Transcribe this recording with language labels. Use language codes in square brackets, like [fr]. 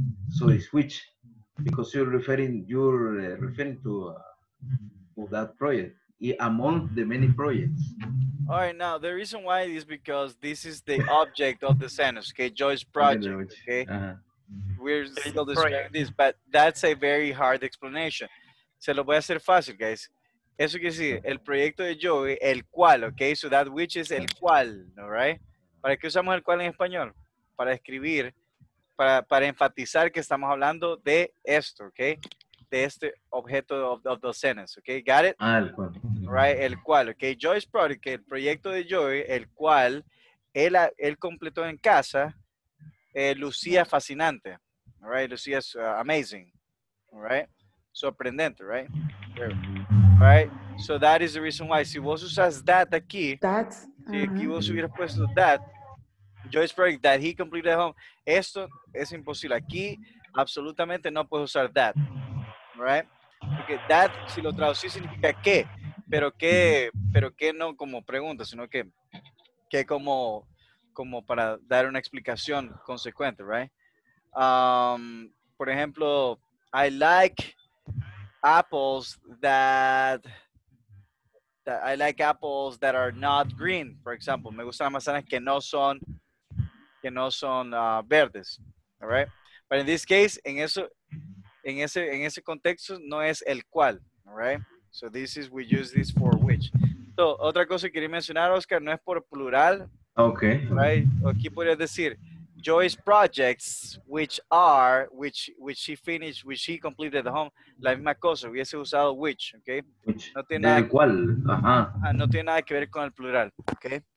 [en] So it's which, because you're referring to that project among the many projects. All right, now the reason why is because this is the object of the sentence, okay? Joyce project, okay? We're still describing this, but that's a very hard explanation. [es] Se lo voy a hacer fácil, guys. Eso quiere decir, el proyecto de Joey, el cual, ok? [en] So that which is el cual, all right? [es] ¿Para qué usamos el cual en español? Para escribir, para enfatizar que estamos hablando de esto, ok? De este objeto [en] of the sentence, ok? Got it? [es] Ah, el cual. [en] Right, el cual, ok? Joey's project, [es] el proyecto de Joey, el cual él completó en casa, lucía fascinante, all right? Lucía es amazing, all right? Sorprendente, right? Right? [en] So that is the reason why. [es] Si vos usas that aquí, aquí vos hubieras puesto [en] that, Joyce Project, that he completed at home, [es] esto es imposible. Aquí, absolutamente no puedes usar that. Right? Porque that, si lo traducís, significa qué. Pero qué no como pregunta, sino que como para dar una explicación consecuente, right? Por ejemplo, [en] I like... apples that I like apples that are not green, for example. [es] Me gustan las manzanas que no son verdes. [en] All right. But in this case, [es] en ese contexto, no es el cual. [en] All right. So this is, we use this for which. [es] So, otra cosa que quería mencionar, Oscar, no es por plural. [en] Okay. Right. [es] Aquí podría decir, [en] Joyce projects, which he completed at home. [es] La misma cosa, hubiese usado which, okay? Which, no tiene nada, cual, no tiene nada que ver con el plural, okay?